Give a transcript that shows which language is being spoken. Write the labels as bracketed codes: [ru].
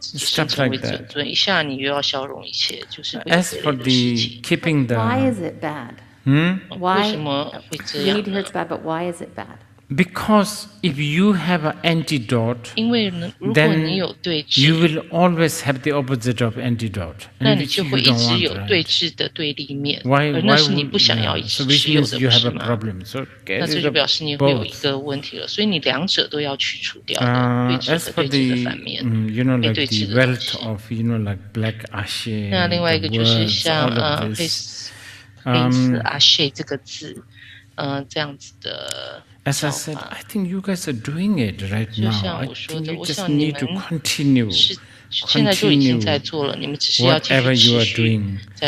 [en] Stuff like that. As for the keeping the... Why is it bad? Why? Greed hurts bad, but why is it bad? Because if you have an antidote, [zh] 因为如果你有对峙 [en] then you will always have the opposite of antidote. [zh] 那你就会一直有对峙的对立面。 [en] Why, [zh] 而那是你不想要一直持有的，是吗？ [en] So which means you have a problem. So get rid of both. [zh] 那这就表示你会有一个问题了。所以你两者都要去除掉的，对峙和对峙的反面。 [en] You know, like the wealth of, you know, like black ashe. [zh] 那另外一个就是像黑色 ashe 这个字，这样子的。 [en] As I said, I think you guys are doing it right now. I think you just need to continue. Whatever you are doing.